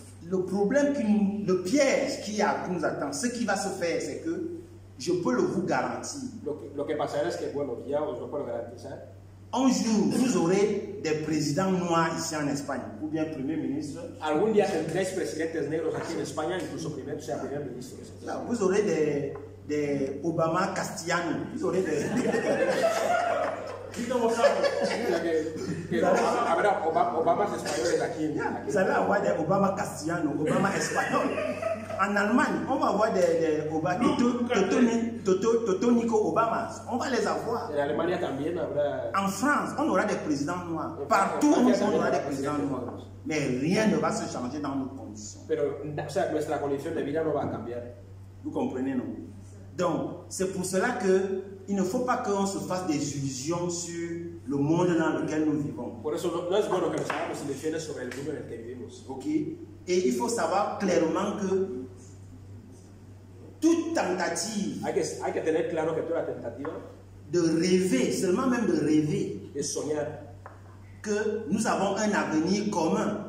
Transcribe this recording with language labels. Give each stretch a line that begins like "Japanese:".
French: Le problème, le piège qui nous attend, ce qui va se faire, c'est que je peux le vous garantir.
Spanish: Lo que pasará es que, bueno, ya os lo puedo garantizar.
French: Un jour, vous aurez des présidents noirs ici en Espagne, ou bien premier ministre.
Spanish: Algún día tendréis presidentes negros aquí en España, incluso primer, o sea, primer ministro.
French: Là, vous aurez des Obama Castellanos. Vous aurez des.
Spanish: Dito Obama, Obama es español aquí.
French: Vous allez avoir des Obama Castellanos, Obama Espagnol. En Allemagne, on va avoir des Obama, Toto Nico Obama. On va les avoir.
Spanish: En Allemagne, también habrá.
French: En France, on aura des présidents noirs. Partout, on aura des présidents noirs. Mais rien ne va se changer dans nos conditions.
Spanish: Pero, o sea, nuestra condición de vida no va a cambiar.
French: Vous comprenez, non? Donc, c'est pour cela que il ne faut pas qu'on se fasse des illusions sur le monde dans lequel nous vivons.
Spanish: Por eso, no es bueno que nos hagamos ilusiones sobre el mundo en el que vivimos.
French: Ok. Et il faut savoir clairement que toute tentative,
Spanish: hay que tener claro que toda tentativa,
French: de rêver, seulement même de rêver,
Spanish: de soñar,
French: que nous avons un avenir commun,